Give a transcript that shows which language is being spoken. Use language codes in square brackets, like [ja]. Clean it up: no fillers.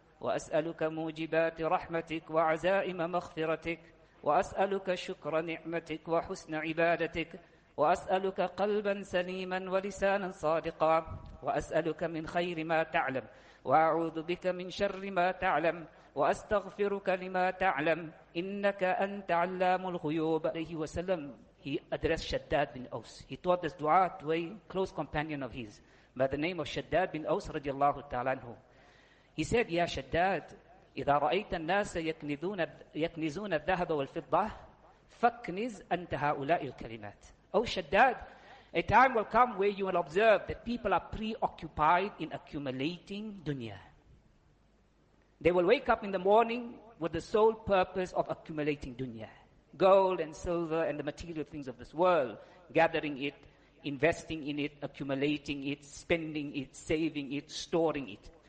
[ar] وأسألك موجبات رحمتك وعزائم مغفرتك وأسألك شكر نعمتك وحسن عبادتك وأسألك قلبا سليما ولسانا صادقا وأسألك من خير ما تعلم وأعوذ بك من شر ما تعلم وأستغفرك لما تعلم إنك أنت علام الغيوب. عليه وسلم, [en] he addressed Shaddad bin Aws. He taught this dua to a close companion of his by the name of Shaddad bin Aws [ar] رضي الله تعالى عنه. [en] He said, [ar] Ya Shaddad, إِذَا رَأَيْتَ النَّاسَ يَكْنِزُونَ الذَّهَبَ وَالْفِضَّةِ فَكْنِزْ أَنْتَ هَؤُلَاءِ الْكَلِمَاتِ. [en] Oh Shaddad, a time will come where you will observe that people are preoccupied in accumulating dunya. They will wake up in the morning with the sole purpose of accumulating dunya, gold and silver and the material things of this world, gathering it, investing in it, accumulating it, spending it, saving it, storing it.